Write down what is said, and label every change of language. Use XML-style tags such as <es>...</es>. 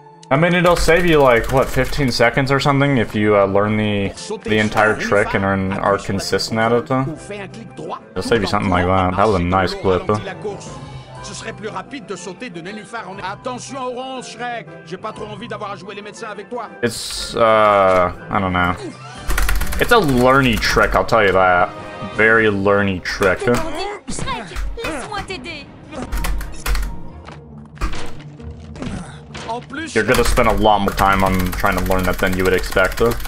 <en>I mean, it'll save you like, what, 15 seconds or something if you learn the entire trick and are consistent at it, though? It'll save you something like that. That was a nice clip, though.</en> <fr>Ce serait plus rapide de sauter de nénuphar en... Attention orange, Shrek! J'ai pas trop envie d'avoir à jouer les médecins avec toi.</fr> <en>I don't know. It's a learny trick, I'll tell you that. Very learny trick.</en> <fr>Shrek, laisse-moi t'aider.</fr> <en>You're gonna spend a lot more time on trying to learn that than you would expect.</en>